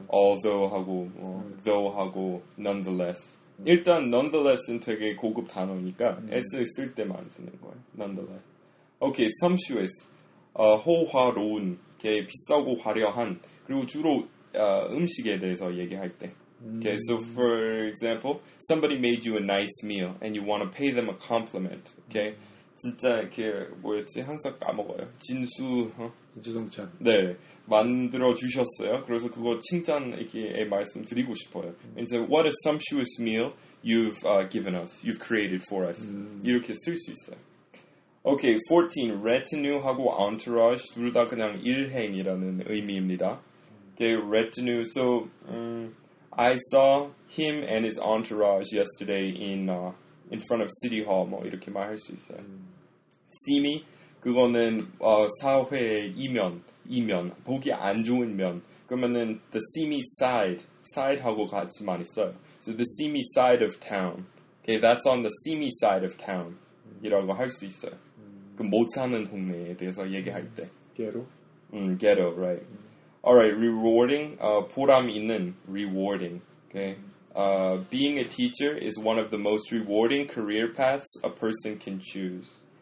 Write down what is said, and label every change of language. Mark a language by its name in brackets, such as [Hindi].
[Korean] Although하고 뭐, though하고 nonetheless. 일단 nonetheless은 되게 고급 단어니까 S 쓸 때만 쓰는 거예요. Nonetheless. Okay, sumptuous. 호화로운. 게 비싸고 화려한. 그리고 주로 음식에 대해서 얘기할 때. [English] Okay, so for example, somebody made you a nice meal and you want to pay them a compliment. [Korean] Okay, 진짜 이렇게 뭐였지? 항상 까먹어요. 진수, 진수성찬. 네, 만들어 주셨어요. 그래서 그거 칭찬 이렇게 말씀 드리고 싶어요. [English] And so, what a sumptuous meal you've given us, you've created for us. [Korean] 이렇게 쓸 수 있어요. Okay, 14. Retinue하고 entourage 둘 다 그냥 일행이라는 의미입니다. Okay, retinue. [English] So I saw him and his entourage yesterday in front of City Hall. [Korean] 뭐 이렇게 말할 수 있어요. [English] See me? [Korean] 그거는 사회의 이면, 보기 안 좋은 면. 그러면은 the seamy side하고 같이 많이 써요. [English] So the seamy side of town. Okay, that's on the seamy side of town. [Korean] 이라고 할 수 있어요. 그 못 사는 동네에 대해서 얘기할 때. [English] Ghetto? Ghetto, right. Alright, rewarding, 보람 있는, rewarding, okay. Being a teacher is one of the most rewarding career paths a person can choose.